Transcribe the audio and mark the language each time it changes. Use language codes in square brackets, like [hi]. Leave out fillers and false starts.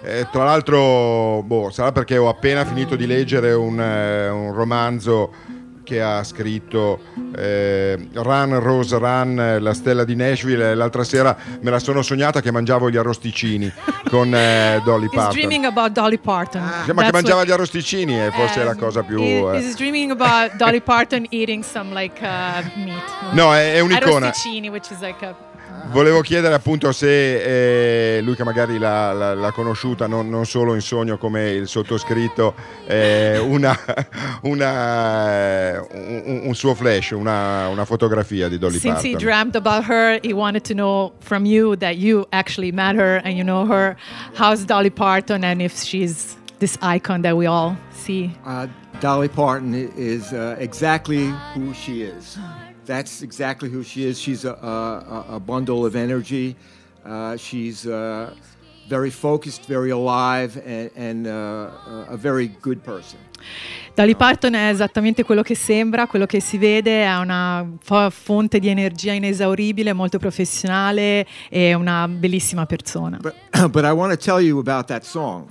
[it] Tra l'altro, sarà perché ho appena finito di leggere un romanzo che ha scritto Run Rose Run, la stella di Nashville. L'altra sera me la sono sognata che mangiavo gli arrosticini con Dolly Parton. [en] He's dreaming about Dolly Parton. [it] Ma che mangiava gli arrosticini è forse la cosa più [en] He's dreaming about Dolly Parton eating some like meat. [it] No, è un'icona. [en] Arrosticini, which is like a [it] Volevo chiedere appunto se lui, che magari l'ha conosciuta non solo in sogno come il sottoscritto, un suo flash, una fotografia di Dolly Parton. [en] Since he dreamt about her, he wanted to know from you that you actually met her and you know her. How's Dolly Parton and if she's this icon that we all see? Dolly Parton is exactly who she is. That's exactly who she is. She's a bundle of energy. She's very focused, very alive, and a very good person. [it] Dolly Parton è esattamente quello che sembra, quello che si vede, è una fonte di energia inesauribile, molto professionale e una bellissima persona. [en] But I want to tell you about that song.